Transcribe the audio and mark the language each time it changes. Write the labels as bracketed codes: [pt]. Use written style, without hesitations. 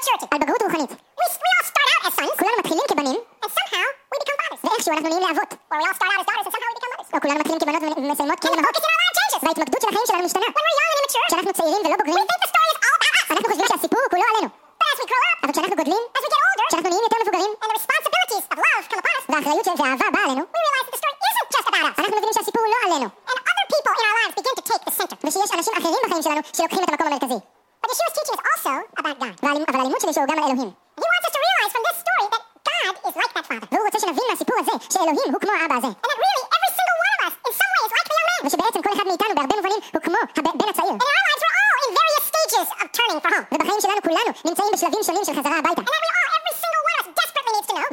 [en] Where we all start out as daughters and somehow we become mothers. [he] או כולנו מתחילים כבנות ומסיימות כאלה. הפוקס של העולם צ'יינג'ס. וההתמקדות של החיים שלנו משתנה. [en] When we're young and immature. [he] כשאנחנו צעירים ולא בוגרים. [en] We think the story is all about us. [he] אנחנו חושבים שהסיפור הוא כולו עלינו. [en] But as we grow up. [he] אבל כשאנחנו גודלים. [en] As we get older. [he] כשאנחנו נהיים יותר מבוגרים. [en] And the responsibilities of love come upon us. [he] והאחריות של ואהבה באה עלינו. [en] We realize that the story isn't just about us. [he] אנחנו מבינים שהסיפור הוא לא עלינו. [en] And other people in our lives begin to take the center. [he] ושיש אנשים אחרים בחיים שלנו שלוקחים את המקום המרכזי. [en] But Yeshua's teaching is also about God. [he] אבל הלימוד של ישוע הוא גם על אלוהים. [en] He wants us to realize from this story that God is like that father. [he] והוא רוצה שנבין מהסיפור הזה שאלוהים הוא כמו האבא הזה. [en] And that really every single one of us in some way is like the young man. [he] ושבעצם כל אחד מאיתנו בהרבה מובנים הוא כמו הבן הצעיר. [en] And in our lives we're all in various stages of turning for home. [he] ובחיים שלנו כולנו נמצאים בשלבים שונים של חזרה הביתה. [en] And that we all every single one of us desperately needs to know.